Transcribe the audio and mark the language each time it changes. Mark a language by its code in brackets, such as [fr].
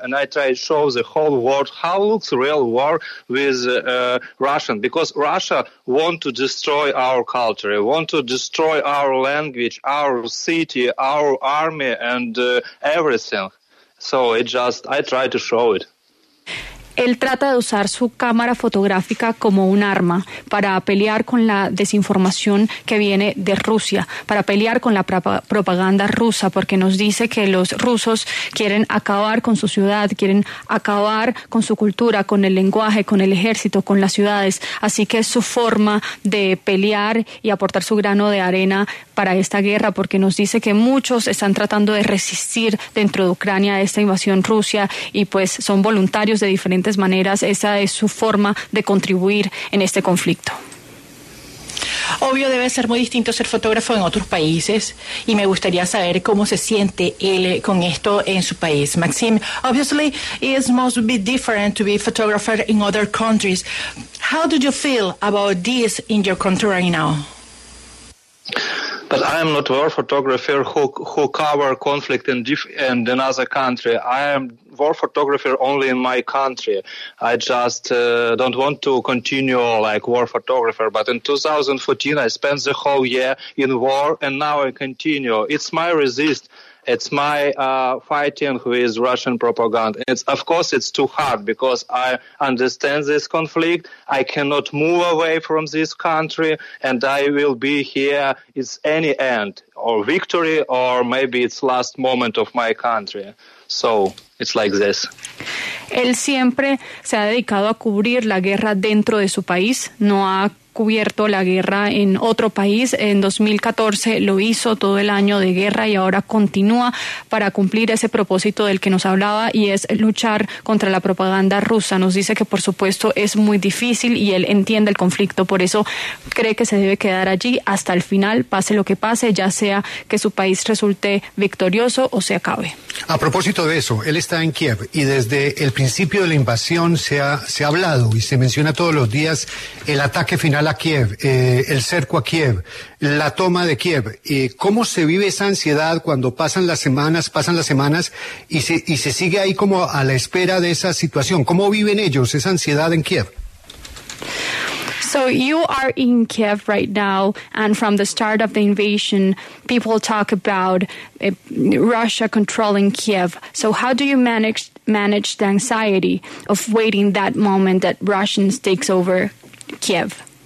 [en] And I try to show the whole world how looks real war with Russian, because Russia want to destroy our culture, want to destroy our language, our city, our army, and everything. So it just, I try to show it. [es] Él trata de usar su cámara fotográfica como un arma para pelear con la desinformación que viene de Rusia, para pelear con la propaganda rusa, porque nos dice que los rusos quieren acabar con su ciudad, quieren acabar con su cultura, con el lenguaje, con el ejército, con las ciudades. Así que es su forma de pelear y aportar su grano de arena para esta guerra, porque nos dice que muchos están tratando de resistir dentro de Ucrania esta invasión rusa y pues son voluntarios de diferentes maneras, esa es su forma de contribuir en este conflicto. Obvio, debe ser muy distinto ser fotógrafo en otros países y me gustaría saber cómo se siente él con esto en su país. [en] Maxim, obviously it must be different to be a photographer in other countries. How do you feel about this in your country right now? But I am not a war photographer who cover conflict in another country. I am war photographer only in my country. I just don't want to continue like war photographer. But in 2014, I spent the whole year in war, and now I continue. It's my resist. It's my fighting with Russian propaganda. It's, of course, it's too hard because I understand this conflict. I cannot move away from this country, and I will be here. It's any end or victory, or maybe it's last moment of my country. So it's like this. [es] Él siempre se ha dedicado a cubrir la guerra dentro de su país, no ha cubierto la guerra en otro país. En 2014 lo hizo todo el año de guerra y ahora continúa para cumplir ese propósito del que nos hablaba y es luchar contra la propaganda rusa. Nos dice que por supuesto es muy difícil y él entiende el conflicto, por eso cree que se debe quedar allí hasta el final, pase lo que pase, ya sea que su país resulte victorioso o se acabe. A propósito de eso, él está en Kiev y desde el principio de la invasión se ha hablado y se menciona todos los días el ataque final a Kiev, el cerco a Kiev, la toma de Kiev. ¿Cómo se vive esa ansiedad cuando pasan las semanas y se sigue ahí como a la espera de esa situación? ¿Cómo viven ellos esa ansiedad en Kiev? [en] So you are in Kiev right now, and from the start of the invasion, people talk about Russia controlling Kiev. So how do you manage the anxiety of waiting that moment that Russians takes over Kiev?